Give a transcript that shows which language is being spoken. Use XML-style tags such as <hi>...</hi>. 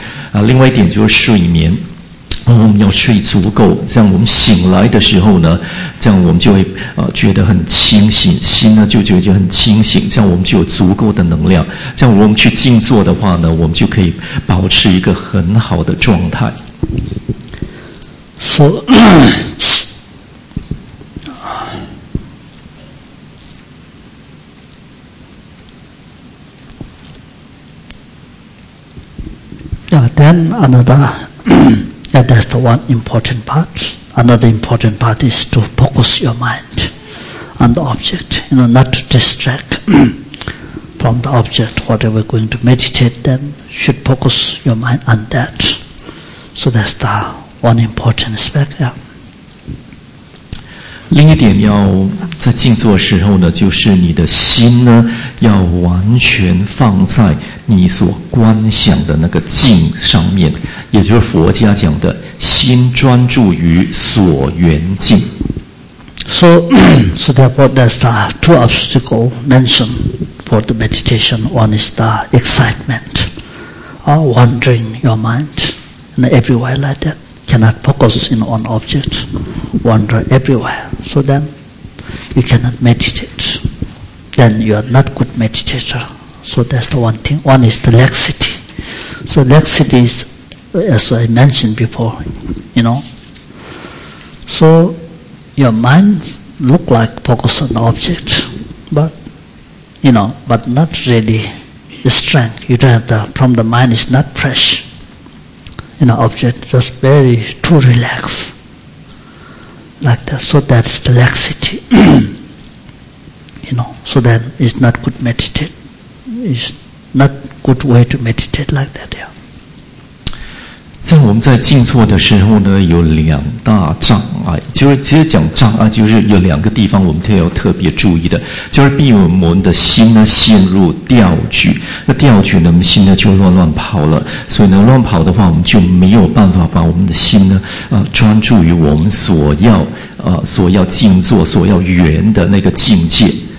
<zh>啊，另外一点就是睡眠，我们要睡足够，这样我们醒来的时候呢，这样我们就会觉得很清醒，心呢就觉得很清醒，这样我们就有足够的能量，这样我们去静坐的话呢，我们就可以保持一个很好的状态。</zh> <en>So, then another, yeah, that's the one important part. Another important part is to focus your mind on the object, you know, not to distract from the object. Whatever we're going to meditate, then should focus your mind on that. So that's the one important aspect, yeah.</en> <zh>另一点要在静坐时候呢，就是你的心呢要完全放在你所观想的那个境上面，也就是佛家讲的心专注于所缘境。</zh> <en>So therefore there's the two obstacles mentioned for the meditation. One is the excitement, wandering your mind and everywhere like that. Cannot focus in one object, wander everywhere. So then, you cannot meditate. Then you are not good meditator. So that's the one thing. One is the laxity. So laxity is, as I mentioned before, you know. So your mind look like focus on the object, but, you know, but not really strength. You don't have the, from the mind is not fresh. You know, object just very too relaxed like that. So that's the laxity. You know, so then it's not good meditate. It's not good way to meditate like that, yeah.</en> <zh>在我们在静坐的时候呢，有两大障碍，就是其实讲障碍，就是有两个地方我们都要特别注意的，就是避免我们的心呢陷入掉举。那掉举呢，我们心呢就乱跑了，所以呢乱跑的话，我们就没有办法把我们的心呢专注于我们所要静坐、所要圆的那个境界。</zh>